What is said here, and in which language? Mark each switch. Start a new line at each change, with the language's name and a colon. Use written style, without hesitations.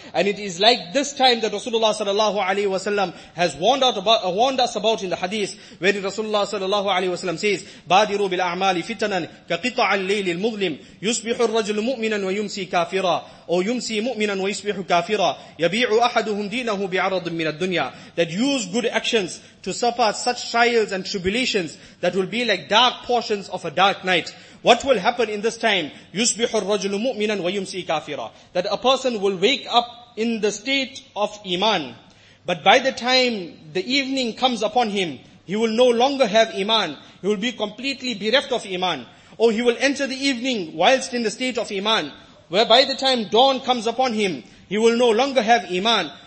English: And it is like this time that Rasulullah sallallahu alayhi wa sallam has warned us about in the hadith, where Rasulullah sallallahu alayhi wa sallam says,
Arabic: بَادِرُوا بِالْأَعْمَالِ فِتَنًا كَقِطَعَ اللَّيْلِ الْمُظْلِمِ يُصْبِحُ الرَّجْلُ مُؤْمِنًا وَيُمْسِي كَافِرًا أو يمسي مؤمنا ويصبح كافرا يبيع أحدهم دينه بعرض من الدنيا.
English: That use good actions to suffer such trials and tribulations that will be like dark portions of a dark night. What will happen in this time?
Arabic: يصبح الرجل مؤمنا ويمسي كافرا.
English: That a person will wake up in the state of iman, but by the time the evening comes upon him, he will no longer have iman. He will be completely bereft of iman. Or he will enter the evening whilst in the state of iman, where by the time dawn comes upon him, he will no longer have iman.